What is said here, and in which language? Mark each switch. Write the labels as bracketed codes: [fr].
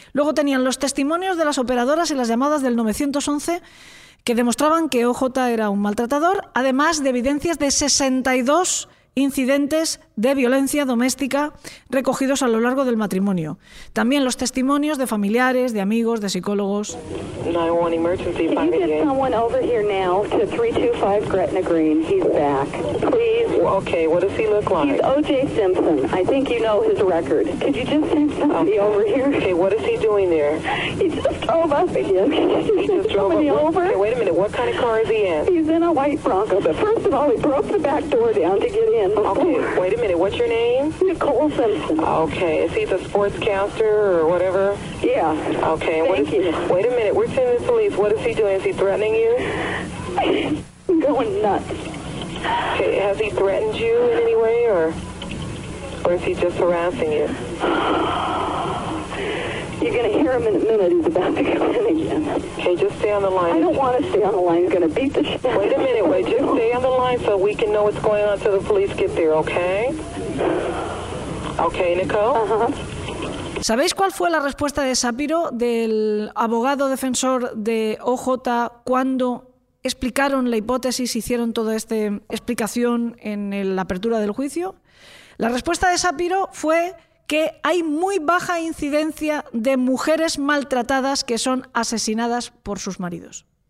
[es] Luego tenían los testimonios de las operadoras y las llamadas del 911 que demostraban que OJ era un maltratador, además de evidencias de 62 incidentes de violencia doméstica recogidos a lo largo del matrimonio. También los testimonios de familiares, de amigos, de psicólogos. [en] 911 emergency. Can you get someone over here now to 325 Gretna Green? He's back. Please. Okay, what does he look like? He's O.J. Simpson. I think you know his record. Could you just send somebody over here? Okay, what is he doing there? He just drove up again. He just drove up. Okay, wait a minute. What kind of car is he in? He's in a white Bronco, but first of all, he broke the back door down to get in. Okay, wait a minute. What's your name? Nicole Simpson. Okay, is he the sportscaster or whatever? Yeah. Okay. Thank you. Wait a minute. We're sending the police. What is he doing? Is he threatening you? I'm going nuts. Okay, has he threatened you in any way, or is he just harassing you? You're going to hear him in a minute. He's about to come in again. Okay, just stay on the line. I don't want to stay on the line. He's going to beat the shit. Wait a minute. Wait, just stay on the line so we can know what's going on until the police get there, okay? Okay, Nicole? Uh-huh. [es] ¿Sabéis cuál fue la respuesta de Shapiro, del abogado defensor de OJ, cuando explicaron la hipótesis, hicieron toda esta explicación en la apertura del juicio? La respuesta de Shapiro fue que hay muy baja incidencia de mujeres maltratadas que son asesinadas por sus maridos.